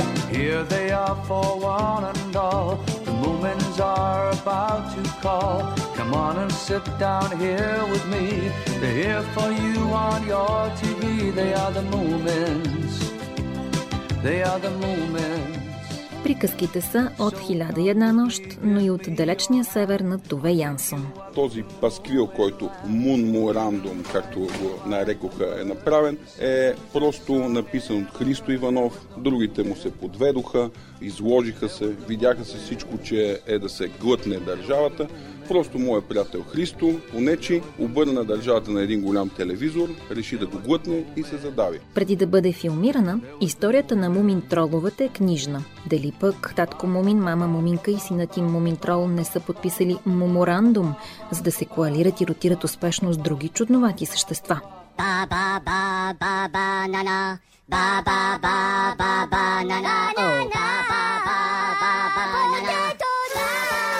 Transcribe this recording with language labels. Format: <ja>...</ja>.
<en>Here they are for one and all. The moments are about to call. Come on and sit down here with me. They're here for you on your TV. They are the moments. They are the moments.</en> <bg>Приказките са от «Хиляда и една нощ», но и от далечния север на Тове Янсон. Този пасквил, който Мун Мурандум, както го нарекоха, е направен, е просто написан от Христо Иванов. Другите му се подведоха, изложиха се, видяха се всичко, че е да се глътне държавата. Просто моят приятел Христо, понечи, обърна държавата на един голям телевизор, реши да го глътне и се задави. Преди да бъде филмирана, историята на Мумин троловете е книжна. Дали пък татко Мумин, мама Муминка и синът им Мумин трол не са подписали меморандум, за да се коалират и ротират успешно с други чудновати същества? Ба-ба-ба-ба-ба-на-на, ба-ба-ба-ба-ба-на-на-на, ба-ба-ба-ба-ба-на-на.</bg>